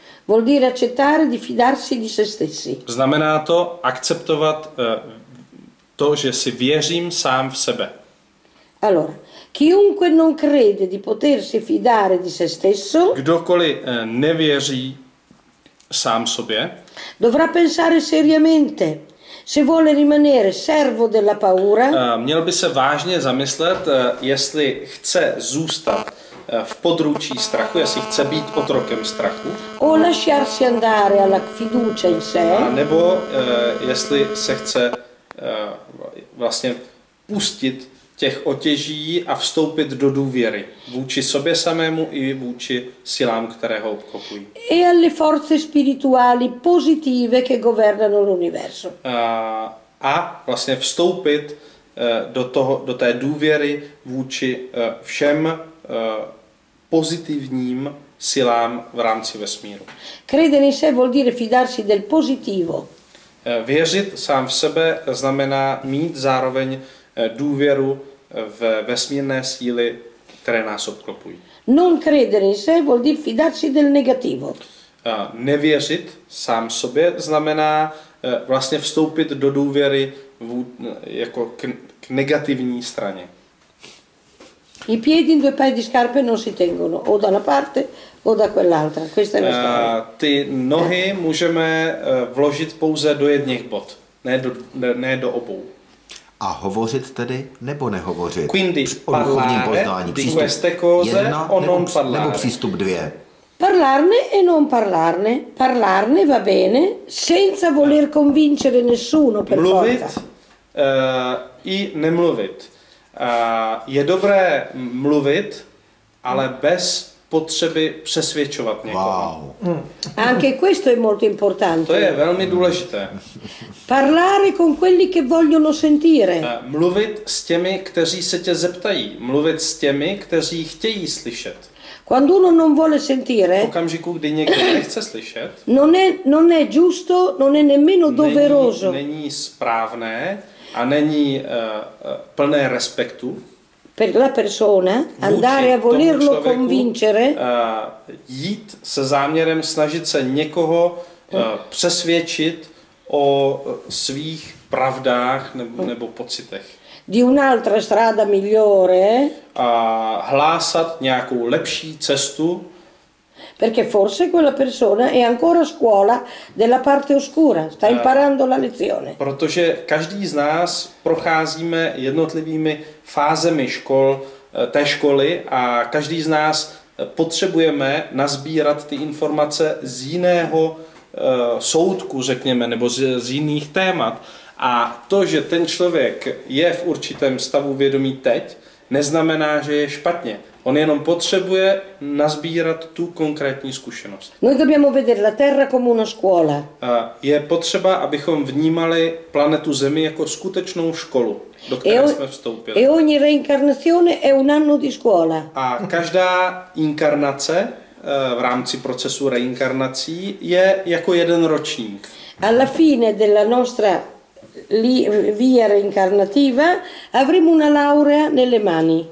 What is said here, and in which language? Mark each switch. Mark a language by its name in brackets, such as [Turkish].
[Italian] Vuol dire accettare di fidarsi di se stessi. [Czech] Znamená to akceptovat to, že si věřím sám v sebe. [Italian] Allora. Chiunque non crede di potersi fidare di se stesso. [Czech] Kdokoliv nevěří sám sobě. [Italian] Dovrà pensare seriamente se vuole rimanere servo della paura. [Czech] Měl by se vážně zamyslet, jestli chce zůstat v područí strachu, jestli chce být otrokem strachu. [Italian] O lasciarsi andare alla fiducia in sé. [Czech] Nebo jestli se chce vlastně pustit těch otěží a vstoupit do důvěry vůči sobě samému i vůči silám, které ho obklopují. [Italian] E alle forze spirituali positive che governano l'universo. [Czech] A vlastně vstoupit do toho, do té důvěry vůči všem pozitivním silám v rámci vesmíru. [Italian] Credere in sé vuol dire fidarsi del positivo. [Czech] Věřit sám v sebe znamená mít zároveň důvěru v vesmírné síly, které nás obklopují. [Italian] Non credere in sé vuol dire fidarsi del negativo. [Czech] Nevěřit sám sobě znamená vlastně vstoupit do důvěry jako k negativní straně. [Italian] I piedi in due paio di scarpe non si tengono o da una parte o da quell'altra. Questa è la storia. [Czech] Ty nohy můžeme vložit pouze do jedných bot, ne do obou. A hovořit tedy nebo nehovořit? [Italian] Quindi parlare poznání, di queste cose [Czech] jedna, [Italian] o non parlare. [Czech] Nebo přístup dvě. [Italian] Parlarne e non parlarne. Parlarne va bene senza voler convincere nessuno per [Czech] forza. Mluvit i nemluvit. Je dobré mluvit, ale bez potřeby přesvědčovat někoho. Wow. [Italian] Anche questo è molto importante. [Czech] To je velmi důležité. [Italian] Parlare con quelli che vogliono sentire. [Czech] Mluvit s těmi, kteří se tě zeptají. Mluvit s těmi, kteří chtějí slyšet. [Italian] Quando uno non vuole sentire. [Czech] V okamžiku, kdy někdo nechce slyšet. [Italian] Non è giusto, non è nemmeno doveroso. [Czech] Není správné a není plné respektu. [Italian] Per la persona andare a volerlo convincere. [Czech] Jít se záměrem snažit se někoho přesvědčit o svých pravdách nebo pocitech. [Italian] Di un'altra strada migliore. [Czech] A hlásat nějakou lepší cestu. [Italian] perché forse quella persona è ancora a scuola della parte oscura, sta imparando la lezione. [Czech] Protože každý z nás procházíme jednotlivými fázemi škol, té školy, a každý z nás potřebujeme nazbírat ty informace z jiného soudku, řekněme, nebo z jiných témat. A to, že ten člověk je v určitém stavu vědomí teď, neznamená, že je špatně. On jenom potřebuje nazbírat tu konkrétní zkušenost. [Italian] Noi dobbiamo vedere la Terra come una scuola. [Czech] Je potřeba, abychom vnímali planetu Zemi jako skutečnou školu, do které jsme vstoupili. [Italian] E ogni reincarnazione è un anno di scuola. [Czech] A každá inkarnace v rámci procesu reinkarnací je jako jeden ročník. [Italian] Alla fine della nostra via reincarnativa avremo una laurea nelle mani.